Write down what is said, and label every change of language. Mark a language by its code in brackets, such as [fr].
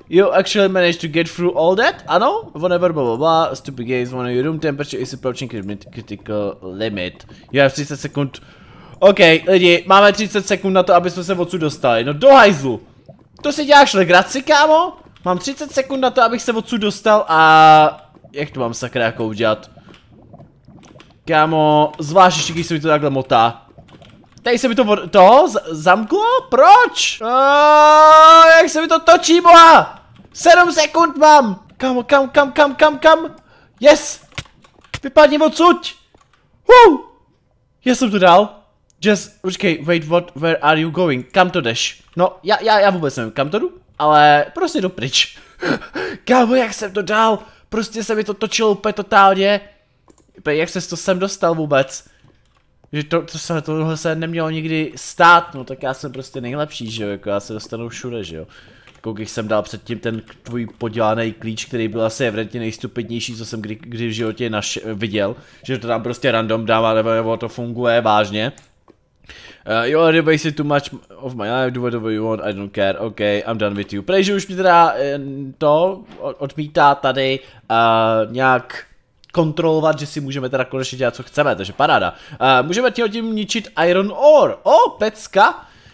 [en] You actually managed to get through all that? Ano? Whatever, blah, blah, blah. Stupid games, one of your room temperature is approaching critical limit. You have 30 sekund. [cs] OK, lidi, máme 30 sekund na to, aby jsme se odsud dostali. No do hajzlu. To si děláš legraci, kámo? Mám 30 sekund na to, abych se odsud dostal a... jak to mám sakra jako udělat? Kámo, zvlášť ještě, když se mi to takhle motá. Tady se mi to zamklo? Proč? Jak se mi to točí, boha! 7 sekund mám! Kámo, kam? Yes! Vypadni odsud! Woo! Já jsem to dal. [en] Just, počkej, wait, what, where are you going? [cs] Kam to jdeš? No, já vůbec nevím, kam to jdu, ale prostě jdu pryč. Kámo, jak jsem to dal? Prostě se mi to točilo úplně totálně. Jak ses to sem dostal vůbec? Že tohle se nemělo nikdy stát, no tak já jsem prostě nejlepší, že jo, jako já se dostanu všude, že jo. Jako když jsem dal předtím ten tvůj podělaný klíč, který byl asi evidentně nejstupidnější, co jsem kdy v životě viděl. Že to tam prostě random dává, nebo to funguje, vážně. [en] You already wasted too much of my life, do whatever you want, I don't care, ok, I'm done with you. [cs] Protože už mi teda to odmítá tady nějak kontrolovat, že si můžeme teda konečně dělat, co chceme, takže paráda. Můžeme ti tím ničit iron ore, pecka.